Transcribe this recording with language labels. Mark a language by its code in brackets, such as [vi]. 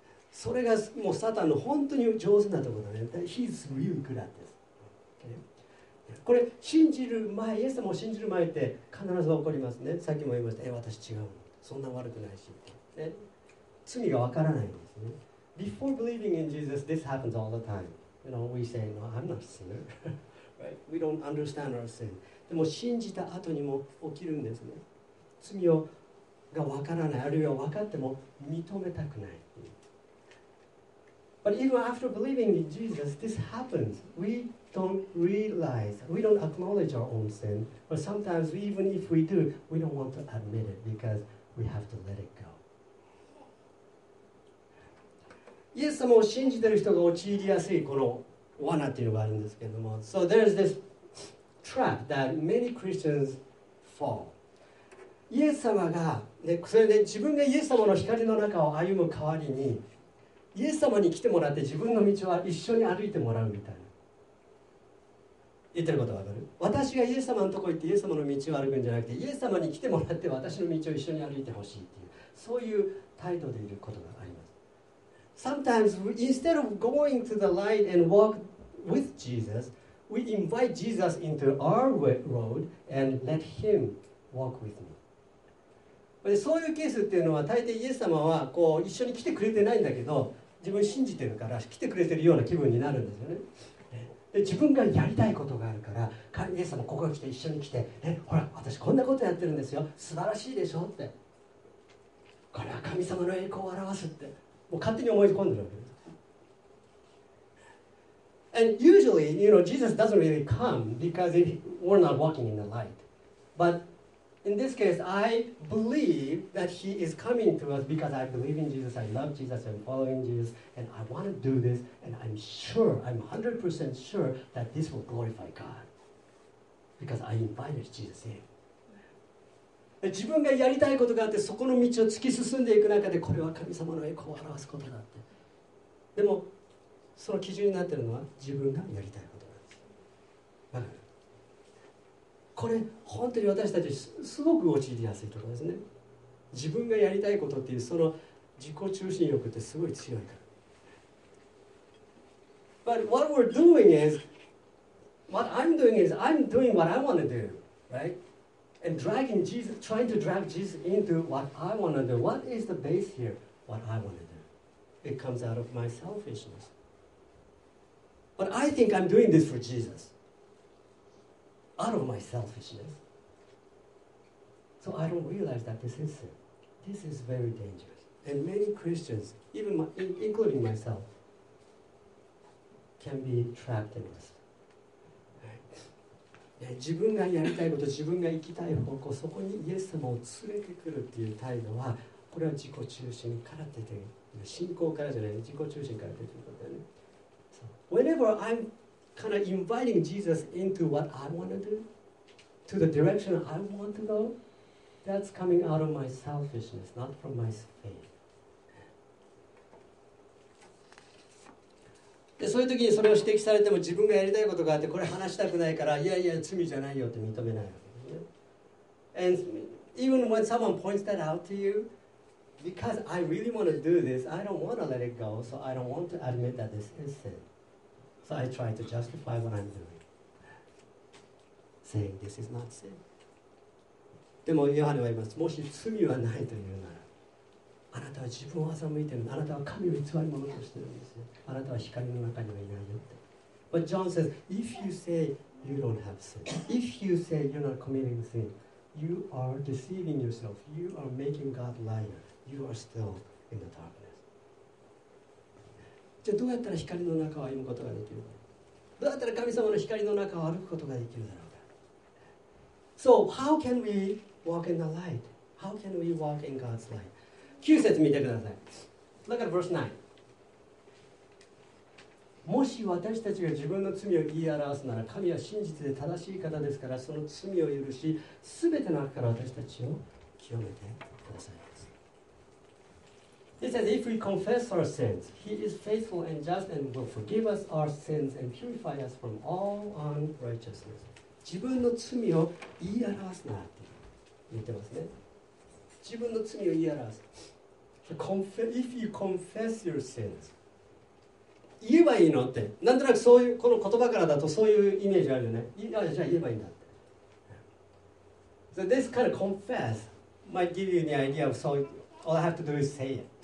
[ja] それがもうサタンの本当に上手なところだね。 [en] He's really good at this. [ja] これ信じる前、イエス様を信じる前って必ず起こりますね。さっきも言いました、私違うの、そんな悪くないし、ね、罪が分からないんですね。 [en] Before believing in Jesus, this happens all the time. You know, we say, no, I'm not a sinner. We don't understand our sin. [ja] でも信じた後にも起きるんですね。罪をが分からない、あるいは分かっても認めたくない。 [en] But even after believing in Jesus, this happens. We don't realize, we don't acknowledge our own sin. But sometimes, even if we do, we don't want to admit it because we have to let it go. [ja] イエス様を信じている人が陥りやすいこの罠というのがあるんですけれども。 [en] So there's this trap that many Christians fall. [ja] イエス様が、ね、それで自分がイエス様の光の中を歩む代わりに、イエス様に来てもらって自分の道は一緒に歩いてもらうみたいな、言ってることわかる？私がイエス様のとこ行ってイエス様の道を歩くんじゃなくて、イエス様に来てもらって私の道を一緒に歩いてほしいっていう、そういう態度でいることがあります。 [en] Sometimes instead of going to the light and walk with Jesus, we invite Jesus into our road and let him walk with me。 [ja] そういうケースっていうのは大抵イエス様はこう一緒に来てくれてないんだけど、自分信じてるから来てくれてるような気分になるんですよね。で自分がやりたいことがあるから、イエス様ここに来て一緒に来て、え、ほら私こんなことやってるんですよ、素晴らしいでしょって、これは神様の栄光を表すってもう勝手に思い込んでるわけです。 [en] And usually, you know, Jesus doesn't really come because we're not walking in the light. ButIn this case, I believe that he is coming to us because I believe in Jesus, I love Jesus, I'm following Jesus, and I want to do this, and I'm sure, I'm 100% sure that this will glorify God. Because I invited Jesus in. [ja] 自分がやりたいことがあって、そこの道を突き進んでいく中で、これは神様の栄光を表すことだって。でも、その基準になっているのは自分がやりたいことなんです。これ本当に私たちすごく陥りやすいところですね。自分がやりたいことっていうその自己中心欲ってすごい強いから。 [en] But what we're doing is, what I'm doing is, I'm doing what I want to do, right? And dragging Jesus, trying to drag Jesus into what I want to do. What is the base here? What I want to do. It comes out of my selfishness. But I think I'm doing this for Jesus. Out of my selfishness. So I don't realize that this is sin. This is very dangerous. And many Christians, even including myself, can be trapped in this. [ja] 自分がやりたいこと、自分が行きたい方向、そこにイエス様を連れてくるっていう態度は、これは自己中心から出てくる。信仰からじゃない、自己中心から出てくることだよね。 [en] So, whenever I'm kind of inviting Jesus into what I want to do, to the direction I want to go, that's coming out of my selfishness, not from my faith. [ja] でそういう時にそれを指摘されても自分がやりたいことがあってこれ話したくないから、いやいや罪じゃないよって認めないわけですね。 [en] And even when someone points that out to you, because I really want to do this, I don't want to let it go, so I don't want to admit that this is sin. So I try to justify what I'm doing, saying this is not sin. [ja] でもヨハネは言います。もし罪はないというなら、あなたは自分を欺いている。あなたは神を偽り者としているんですよ。あなたは光の中にはいないよって。 [en] But John says, if you say you don't have sin, if you say you're not committing sin, you are deceiving yourself. You are making God liar. You are still in the dark. [ja] じゃあどうやったら光の中を歩むことができるか、どうやったら神様の光の中を歩くことができるだろうか。 [en] So how can we walk in the light? How can we walk in God's light? [ja] 9節見てください。 [en] Look at verse 9. [ja] もし私たちが自分の罪を言い表すなら、神は真実で正しい方ですから、その罪を許し、すべての悪から私たちを清めてくださいます。 [en] He says, if we confess our sins, He is faithful and just and will forgive us our sins and purify us from all unrighteousness. [ja] 自分の罪を言い表すならって言ってますね。自分の罪を言い表す。 [en] If you confess your sins, [ja] 言えばいいのって、なんとなくそういうこの言葉からだとそういうイメージあるよね。じゃあ言えばいいんだって。 [en] So this kind of confess might give you the idea of, so all I have to do is say it.